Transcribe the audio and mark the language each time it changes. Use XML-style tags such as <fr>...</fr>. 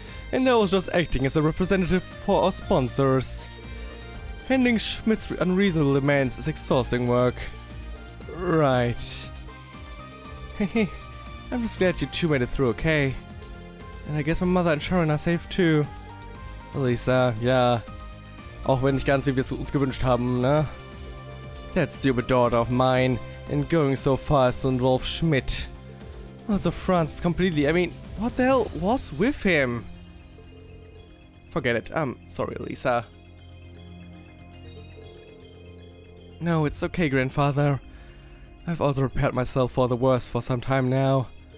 <en>And I was just acting as a representative for our sponsors. Handling Schmidt's unreasonable demands is exhausting work. Right. Hey, I'm just glad you two made it through, okay? And I guess my mother and Sharon are safe too. Lisa, yeah.</en> <de>Auch wenn nicht ganz, wie wir es uns gewünscht haben, ne?</de> <en>That stupid daughter of mine, and going so fast on Wolf Schmidt. Also Franz completely, I mean, what the hell was with him? Forget it, I'm sorry, Lisa. No, it's okay, Grandfather. I've also prepared myself for the worst for some time now.</en>